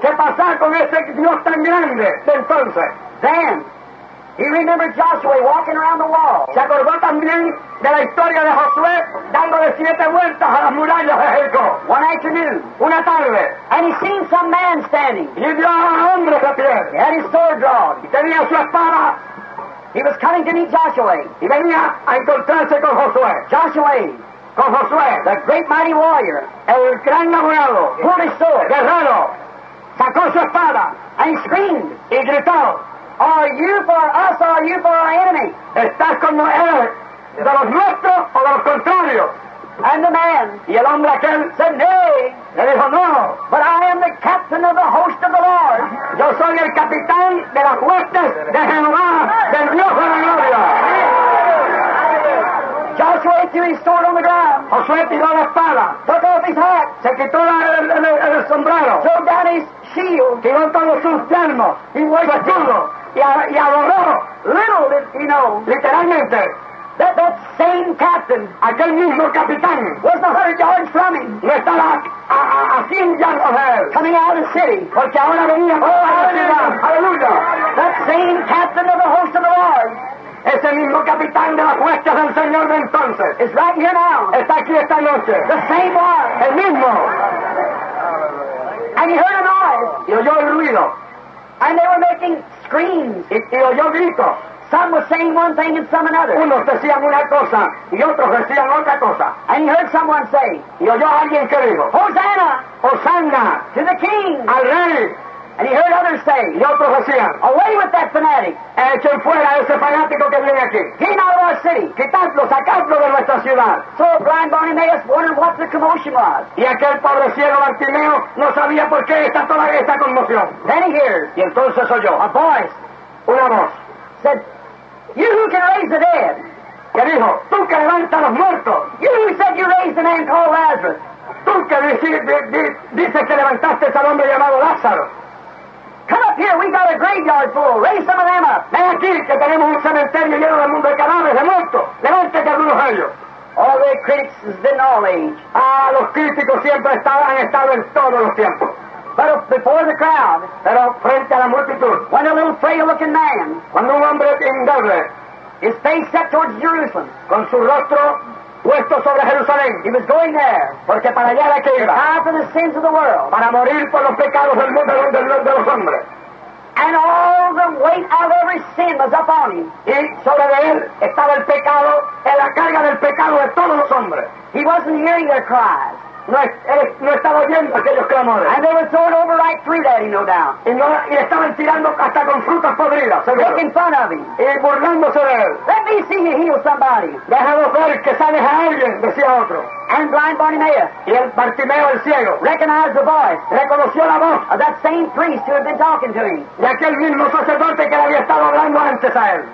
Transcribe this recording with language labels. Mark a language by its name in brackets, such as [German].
[Spanish] ¿Qué pasó con ese Dios tan grande de entonces? [English] Then, he remembered Joshua walking around the wall. [Spanish] Se acordó también de la historia de Josué dándole siete vueltas a las murallas de Jericó. [English] One afternoon. [Spanish] Una tarde. [English] And he seen some man standing. [Spanish] Y vio a un hombre de pie. [English] He had his sword drawn. [Spanish] Y tenía su espada. [English] He was coming to meet Joshua. [Spanish] Y venía a encontrarse con Josué. [English] Joshua. [Spanish] Con Josué. [English] The great mighty warrior. [Spanish] El gran abogado. [English] Pulled his sword. [Spanish] Guerrero. Sacó su espada. [English] And he screamed. [Spanish] Y gritó. [English] Are you for us or are you for our enemy? [Spanish] ¿Estás con nosotros, de los nuestros o de los contrarios? [English] And the man, [Spanish] y el hombre aquel, [English] said, nay. [Spanish] Le dijo, no. [English] But I am the captain of the host of the Lord. [Spanish] Yo soy el capitán de las huestes de Jehová, del Dios de la gloria. [English] Joshua threw his sword on the ground. [Spanish] Josué tiró la espada. [English] Took off his hat. [Spanish] Se quitó el sombrero. [English] Took down his shield. [Spanish] Tiró todos sus yelmos. [English] He worshipped. [Spanish] Su escudo. Y adoró. [English] Little did he know. [Spanish] Literalmente. [English] That same captain. [Spanish] Aquel mismo capitán. [English] Was 100 yards from him. [Spanish] No estaba a 100 [English] yards of him. Coming out of the city. [Spanish] Porque ahora venía. [English] Oh, hallelujah. [Spanish] Hallelujah. [English] That same captain of the host of the Lord. [Spanish] Ese mismo capitán de las huestes del Señor de entonces. [English] It's right here now. [Spanish] Está aquí esta noche. [English] The same one. [Spanish] El mismo. [English] And he heard a noise. [Spanish] Y oyó el ruido. [English] And they were making screams. [Spanish] Y oyó grito. [English] Some were saying one thing and some another. [Spanish] Unos decían una cosa y otros decían otra cosa. [English] And he heard someone say. [Spanish] Y oyó alguien que dijo. [English] Hosanna. [Spanish] Hosanna. [English] To the king. [Spanish] Al rey. [English] And he heard others say, [Spanish] y otros decían, [English] away with that fanatic. [Spanish] Echen fuera ese fanático que viene aquí. [English] Get out of our city. [Spanish] Quitadlo, sacadlo de nuestra ciudad. [English] So blind Bartimaeus wondered what the commotion was. [Spanish] Y aquel pobre ciego Bartimeo no sabía por qué está toda esta conmoción. [English] Then he hears, [Spanish] y entonces oyó, [English] a voice, [Spanish] una voz, [English] said, you who can raise the dead. [Spanish] Que dijo, tú que levantas los muertos. [English] You who said you raised a man called Lazarus. [Spanish] Tú que dices que levantaste al hombre llamado Lázaro. [English] Come up here, we got a graveyard full. Raise some of them up. [Spanish] Ven aquí, que tenemos un cementerio lleno del mundo de cadáveres, de muertos. Levántate algunos de ellos. [English] All the critics have been all age. [Spanish] Ah, los críticos siempre han estado en todos los tiempos. [English] But before the crowd. [Spanish] Pero frente a la multitud. [English] When a little frail-looking man. [Spanish] Cuando un hombre indoble. [English] His face set towards Jerusalem. [Spanish] Con su rostro puesto sobre Jerusalén. [English] He was going there. [Spanish] Porque para allá era que iba. [English] To die for the sins of the world. [Spanish] Para morir por los pecados del mundo de los hombres. [English] And all the weight of every sin was upon him. [Spanish] Y sobre de él estaba el pecado, la carga del pecado de todos los hombres. [English] He wasn't hearing their cries. [Spanish] No estaba oyendo aquellos clamores. [English] And they were throwing over ripe fruit at him, no doubt. [Spanish] Y estaban tirando hasta con frutas podridas. [English] Making fun of him. [Spanish] Y burlándose de él. [English] Let me see you heal somebody. [Spanish] Déjalo ver que sanes a alguien, decía otro. [English] And blind Bartimaeus. [Spanish] Y el Bartimeo el ciego. [English] Recognized the voice. [Spanish] Reconoció la voz. [English] Of that same priest who had been talking to him. [Spanish] De aquel mismo sacerdote que le había estado hablando antes a él.